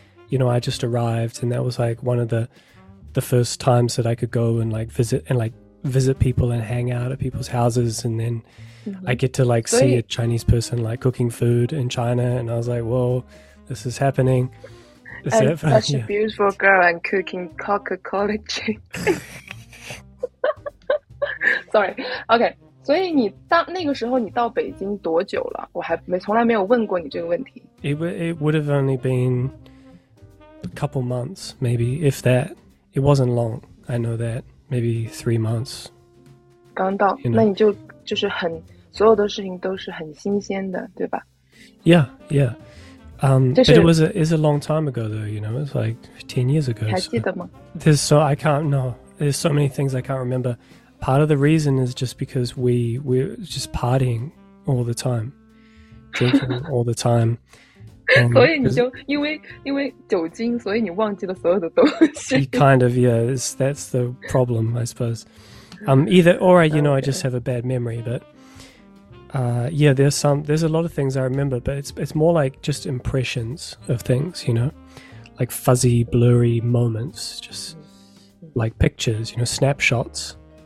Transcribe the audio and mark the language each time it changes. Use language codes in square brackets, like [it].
[en] You know, I just arrived and that was like one of the first times that I could go and like visit people and hang out at people's houses. And then I get to like see a Chinese person like cooking food in China. And I was like, whoa, this is happening. Is that for, such a beautiful girl and cooking Coca-Cola chicken. Sorry. Okay. [zh] 所以你到那个时候你到北京多久了？我还没从来没有问过你这个问题。 [en] It would have only been... A couple months, maybe, if that. It wasn't long, I know that. Maybe 3 months. [zh] 刚到 [en] you know. [zh] 那你就是很所有的事情都是很新鲜的对吧 [en] Yeah, yeah. But it was a long time ago, though, you know. It was like 15 years ago. [zh] 你还记得吗 [en] There's so many things I can't remember. Part of the reason is just because we're just partying all the time. Drinking all the time. [zh] 所以你就因为酒精，所以你忘记了所有的东西。 [en] Kind of, yeah. That's the problem, I suppose. Either or, you know, I just have a bad memory. But yeah, there's a lot of things I remember, but it's more like just impressions of things, you know, like fuzzy, blurry moments, just like pictures, you know, snapshots.